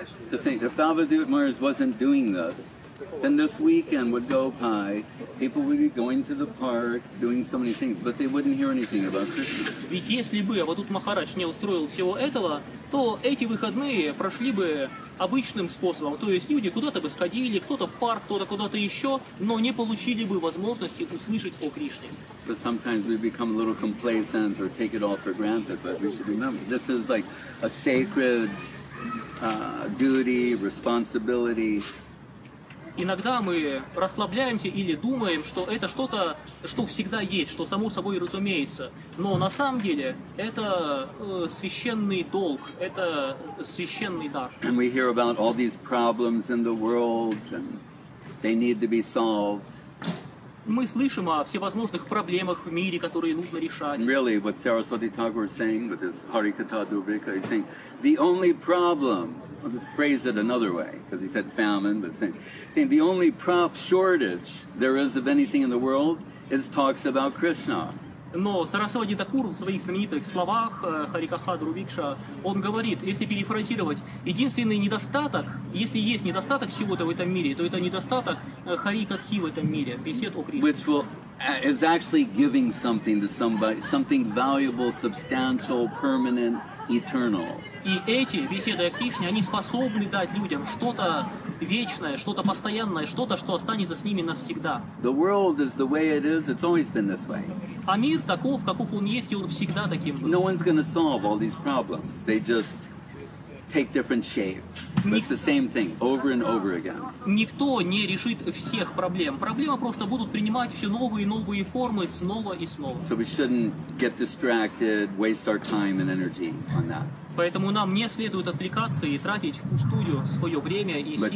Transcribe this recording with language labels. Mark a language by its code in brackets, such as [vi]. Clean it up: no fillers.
[en] To think, if Bhavadut Maharaj wasn't doing this, then this weekend would go by, people would be going to the park, doing so many things, but they wouldn't hear anything about Krishna. [ru] Ведь если бы Бхагавадут Махарадж не устроил всего этого, то эти выходные прошли бы обычным способом, то есть люди куда-то бы сходили, кто-то в парк, кто-то куда-то еще, но не получили бы возможности услышать о Кришне. [en] But sometimes we become a little complacent or take it all for granted, but we should remember, this is like a sacred duty, responsibility. [ru] Иногда мы расслабляемся или думаем, что это что-то, что всегда есть, что само собой разумеется. Но на самом деле это священный долг, это священный дар. [en] And we hear about all these problems in the world, and they need to be solved. [ru] Мы слышим о всевозможных проблемах в мире, которые нужно решать. [en] Really, what Saraswati Thakur is saying with his Harikatha Dubrika, he's saying, the only problem, I'll phrase it another way, because he said famine, but saying the only prop shortage there is of anything in the world is talks about Krishna. [ru] Но Сарасвати Такур в своих знаменитых словах Харикатха Друбикша, он говорит, если перефразировать, единственный недостаток, если есть недостаток чего-то в этом мире, то это недостаток Харикатхи в этом мире, бесед о Кришне. [en] Which is actually giving something to somebody, something valuable, substantial, permanent, eternal. [ru] И эти беседы о Кришне, они способны дать людям что-то вечное, что-то постоянное, что-то, что останется с ними навсегда. [en] The world is the way it is, it's always been this way. [ru] А мир таков, каков он есть, и он всегда таким был. [en] No one's gonna solve all these problems. They just take different shape. It's the same thing over and over again. [ru] Никто не решит всех проблем. Проблемы просто будут принимать все новые и новые формы снова и снова. [en] So we shouldn't get distracted, waste our time and energy on that. [ru] Поэтому нам не следует отвлекаться и тратить впустую свое время и силы на это.